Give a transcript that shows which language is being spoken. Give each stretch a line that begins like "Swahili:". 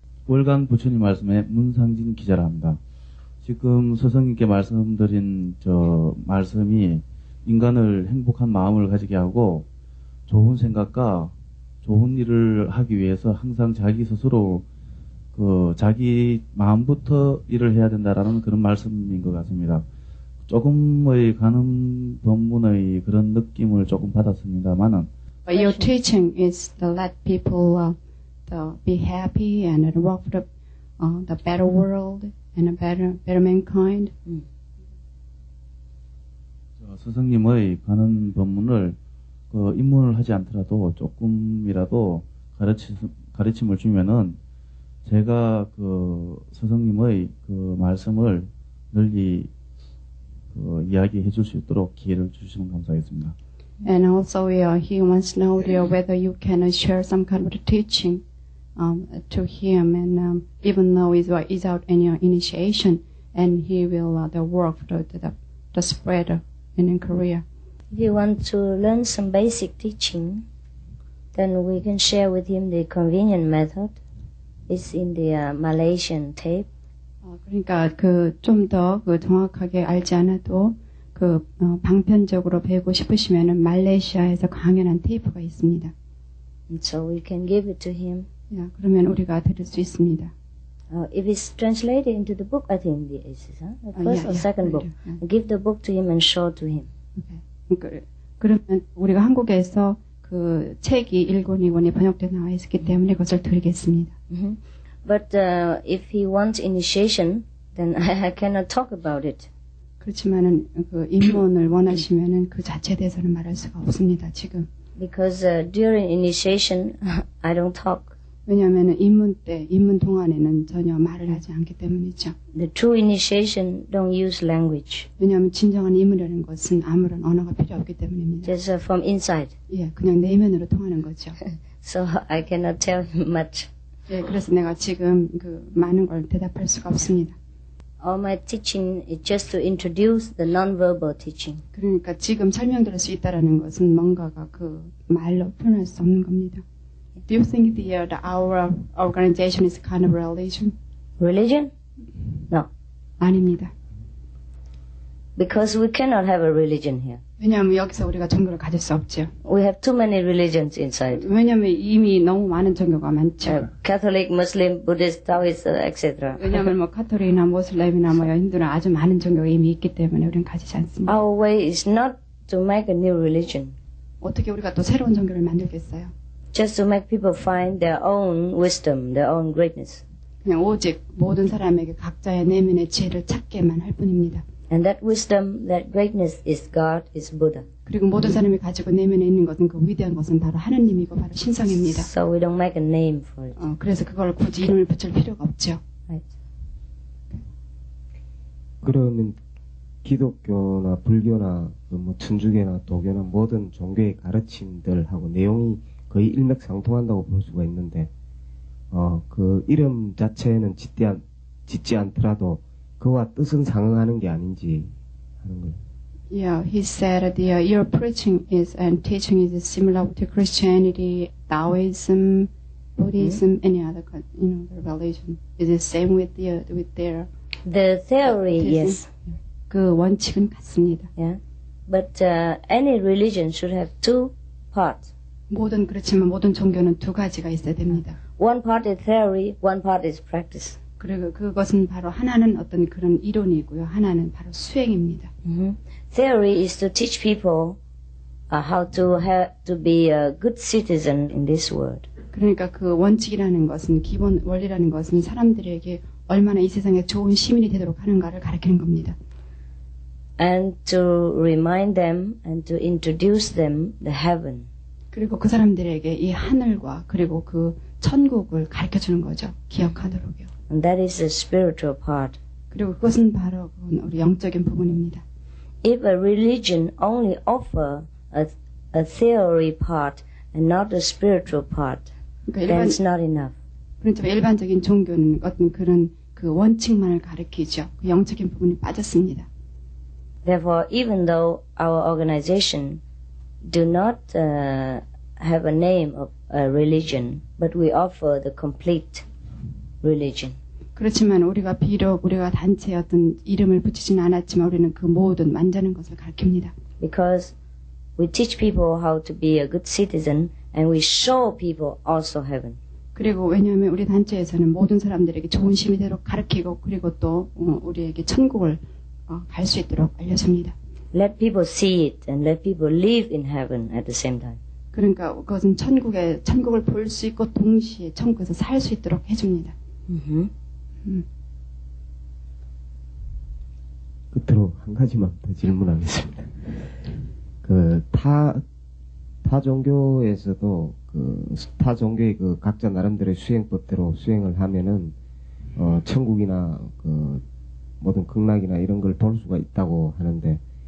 Korean: 월간 부처님 말씀에 문상진 기자라 합니다. 지금 스승님께 말씀드린 저 말씀이 인간을 행복한 마음을 가지게 하고 좋은 생각과 좋은 일을 하기 위해서 항상 자기 스스로 그 자기 마음부터 일을 해야 된다라는 그런 말씀인 것 같습니다. 조금의 가는 법문의 그런 느낌을 조금 받았습니다만은.
English: But your teaching is to let people be happy and work for the better world and a better mankind.
Korean: 저 스승님의 가는 법문을 입문을 하지 않더라도 조금이라도 가르침을 주면은 제가 그 스승님의 그 말씀을 널리 그 이야기해 줄 수 있도록 기회를 주시면 감사하겠습니다.
English: And also he wants to know whether you can share some kind of teaching to him and even though he's without any initiation and he will work the spread in Korea. If you want to learn some basic teaching, then we can share with him the convenient method. It's in the Malaysian tape.
Korean: 그러니까 그 좀 더 그 정확하게 알지 않아도 그 방편적으로 배우고 싶으시면은 말레이시아에서 강연한 테이프가 있습니다.
English: And so we can give it to him.
Korean: 야, 그러면 우리가 들을 수 있습니다.
English: If it's translated into the book, I think it is. Huh? The first or second book. Yeah. Give the book to him and show to him. Okay.
Korean: 그러면 우리가 한국에서 그 책이 1권, 2권이 번역돼 나와 있기 때문에 그것을 드리겠습니다. Mm-hmm.
English: But if he wants initiation, then I cannot talk about it.
Korean: 그렇지만은 그 입문을 원하시면은 그 자체에 대해서는 말할 수가 없습니다, 지금.
English: Because during initiation, I don't talk.
Korean: 왜냐하면 입문 때, 입문 동안에는 전혀 말을 하지 않기 때문이죠.
English: The true initiation don't use language.
Korean: 왜냐하면 진정한 입문이라는 것은 아무런 언어가 필요 없기 때문입니다.
English: Just from inside.
Korean: 예, 그냥 내면으로 통하는 거죠.
English: So I cannot tell much.
Korean: 예, 그래서 내가 지금 그 많은 걸 대답할 수가 없습니다.
English: All my teaching is just to introduce the non-verbal teaching.
Korean: 그러니까 지금 설명드릴 수 있다라는 것은 뭔가가 그 말로 표현할 수 없는 겁니다.
English: Do you think the our organization is kind of religion? Religion? No.
Korean: 아닙니다.
English: Because we cannot have a religion here.
Korean: 왜냐하면 여기서 우리가 종교를 가질 수 없죠.
English: We have too many religions inside.
Korean: 왜냐하면 이미 너무 많은 종교가 많죠.
English: Catholic, Muslim, Buddhist, Taoist, etc.
Korean: 왜냐하면 뭐 카톨릭이나 무슬림이나 뭐 인도나 아주 많은 종교가 이미 있기 때문에 우리는 가지지 않습니다.
English: Our way is not to make a new religion.
Korean: 어떻게 우리가 또 새로운 종교를 만들겠어요?
English: Just to make people find their own wisdom, their own greatness.
Korean: 그냥 오직 모든 사람에게 각자의 내면의 지혜를 찾게만 할 뿐입니다.
English: And that wisdom, that greatness is God, is Buddha.
Korean: 그리고 모든 사람이 가지고 내면에 있는 것은 그 위대한 것은 바로 하느님이고 바로 신성입니다.
English: So we don't make a name for it.
Korean: 그래서 그걸 굳이 이름을 붙일 필요가 없죠.
English: Right.
Korean: 그러면 기독교나 불교나 뭐 천주교나 도교나 모든 종교의 가르침들하고 내용이 거의 일맥상통한다고 볼 수가 있는데, 그 이름 자체는 짓지 않더라도 그와 뜻은 상응하는 게 아닌지 하는 거예요.
English: Yeah, he said your preaching is and teaching is similar to Christianity, Taoism, Buddhism, any other kind, you know, the religion. Is it same with their the theory? Yes.
Korean: 그 원칙은 같습니다.
English: Yeah, but any religion should have two parts.
Korean: 모든 그렇지만 모든 종교는 두 가지가 있어야 됩니다.
English: One part is theory, one part is practice.
Korean: 그리고 그것은 바로 하나는 어떤 그런 이론이고요, 하나는 바로 수행입니다.
English: Theory is to teach people how to have to be a good citizen in this world.
Korean: 그러니까 그 원칙이라는 것은 기본 원리라는 것은 사람들에게 얼마나 이 세상에 좋은 시민이 되도록 하는가를 가르치는 겁니다.
English: And to remind them and to introduce them the heaven.
Korean: 그리고 그 사람들에게 이 하늘과 그리고 그 천국을 가르쳐 주는 거죠. 기억하도록요.
English: And that is the spiritual part.
Korean: 그리고 그것은 바로 그건 우리 영적인 부분입니다.
English: If a religion only offer a theory part and not a spiritual part,
Korean: 그러니까
English: that's not enough.
Korean: 그렇죠. 일반적인 종교는 어떤 그런 그 원칙만을 가르치죠. 그 영적인 부분이 빠졌습니다.
English: Therefore, even though our organization do not have a name of a religion, but we offer the complete religion.
Korean: 그렇지만 우리가 비록 우리가 단체 어떤 이름을 붙이진 않았지만 우리는 그 모든 완전한 것을 가르칩니다.
English: Because we teach people how to be a good citizen, and we show people also heaven.
Korean: 그리고 왜냐하면 우리 단체에서는 모든 사람들에게 좋은 시민이 되도록 가르치고 그리고 또 우리에게 천국을 갈 수 있도록 알려줍니다.
English: Let people see it and let people live in heaven at the same time.
Korean: 그러니까 그것은 천국에 천국을 볼 수 있고 동시에 천국에서 살 수 있도록 해줍니다. 끝으로 한 가지만 더 질문하겠습니다. 그 타 종교에서도 그 타 종교의 그 각자 나름대로 수행법대로 수행을 하면은 천국이나 그 모든 극락이나 이런 걸 볼 수가 있다고 하는데.